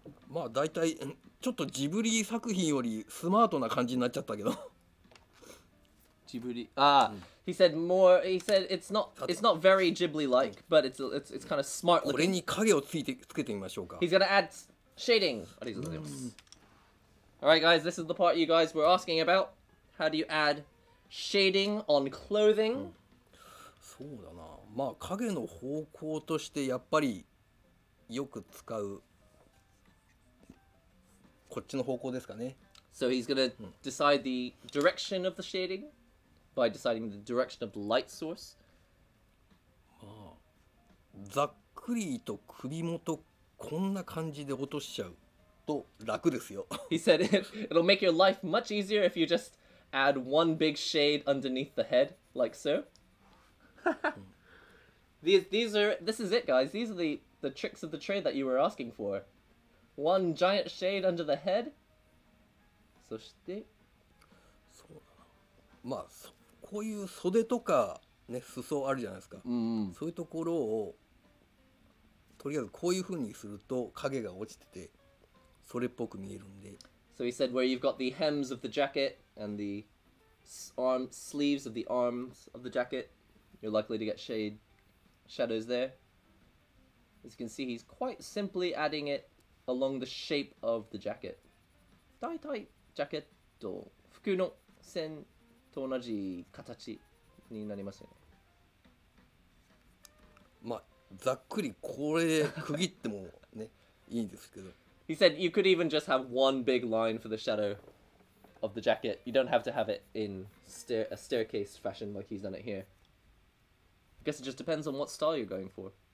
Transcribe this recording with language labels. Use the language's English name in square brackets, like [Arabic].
[Japanese] まあだいたいちょっとジブリ作品よりスマートな感じになっちゃったけど。 [English] Ghibli. He said more. He said it's not very Ghibli like, but it's kind of smart looking. He's gonna add shading. All right, guys, this is the part you guys were asking about. How do you add shading on clothing? [Japanese] そうだな。まあ影の方向としてやっぱりよく使うこっちの方向ですかね。 [English] So he's gonna decide the direction of the shading by deciding the direction of the light source. [Japanese] まあざっくりと首元こんな感じで落としちゃうと楽ですよ。 [English] He said it'll make your life much easier if you just add one big shade underneath the head, like so. this is it, guys. These are the tricks of the trade that you were asking for. One giant shade under the head. [Japanese] そして、そうだな。まあこういう袖とかね、裾あるじゃないですか。 Mm. そういうところをとりあえずこういうふうにすると影が落ちてて、それっぽく見えるんで。 [English] So he said where you've got the hems of the jacket and the arm sleeves of the arms of the jacket. You're likely to get shadows there. As you can see, he's quite simply adding it along the shape of the jacket. [Japanese] だいたいジャケット服の線と同じ形になりますよね。まあざっくりこれで区切ってもね、いいんですけど。 [English] He said you could even just have one big line for the shadow of the jacket. You don't have to have it in a staircase fashion like he's done it here. I guess it just depends on what style you're going for.